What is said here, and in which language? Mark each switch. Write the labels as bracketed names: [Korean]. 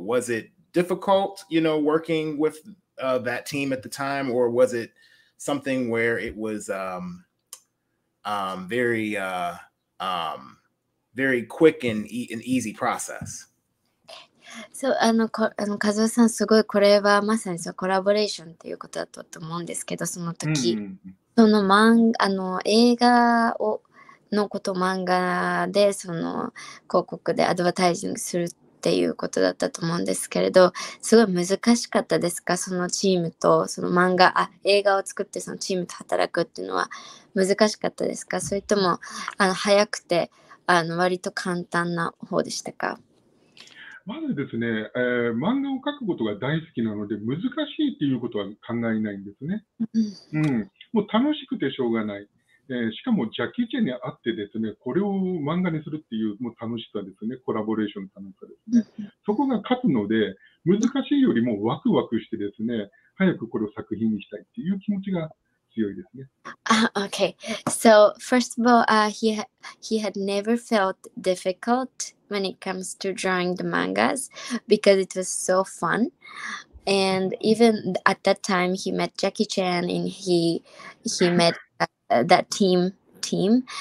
[English] Was it difficult, you know, working with that team at the time, or was it something where it was very quick and an easy process? [Japanese] So, あの、あの、和夫さん、すごい、これはまさにそう、コラボレーションっていうことだったと思うんですけど、その時、mm-hmm. その漫画、あの、映画をのこと、漫画でその広告でアドバタイジングするっていうことだったと思うんですけれど、すごい難しかったですか、そのチームと、その漫画、あ、映画を作ってそのチームと働くっていうのは難しかったですか、それともあの早くて、あの割と簡単な方でしたか。まずですね、漫画を描くことが大好きなので難しいっていうことは考えないんですね。もう楽しくてしょうがない。しかもジャッキーチェンに会ってですね、これを漫画にするっていう、 もう楽しさですね、コラボレーションの楽しさですね。そこが勝つので、難しいよりもワクワクしてですね、早くこれを作品にしたいっていう気持ちが強いですね。 [English] Okay. So, first of all, he had never felt difficult when it comes to drawing the mangas because it was so fun. And even at that time, he met Jackie Chan and he met that team.